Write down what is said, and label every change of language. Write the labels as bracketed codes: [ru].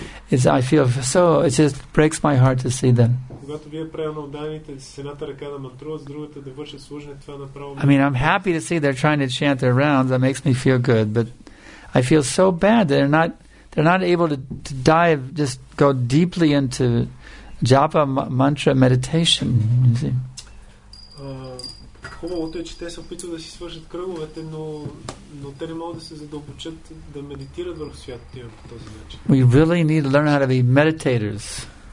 [en] It just breaks my heart to see them. I mean, I'm happy to see they're trying to chant their rounds. That makes me feel good. But I feel so bad that they're not able to dive, just go deeply into japa mantra meditation. You see. [bg] Хубавото е, че те се опитват да си свършат кръговете, но те не могат да се задълбочат да медитират върху святото име по този начин. [en] We really need to learn how to be meditators.